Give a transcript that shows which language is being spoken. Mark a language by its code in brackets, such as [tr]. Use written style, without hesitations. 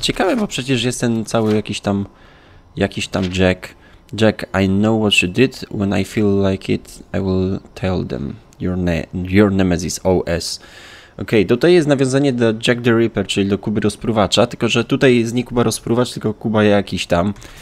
[pl] Ciekawe, bo przecież jest ten cały jakiś tam Jack. [en] Jack, I know what you did. When I feel like it, I will tell them. Your nemesis, OS. [pl] Okej, okay, tutaj jest nawiązanie do Jack the Ripper, czyli do Kuby Rozpruwacza, tylko że tutaj jest nie Kuba Rozpruwacz, tylko Kuba jakiś tam.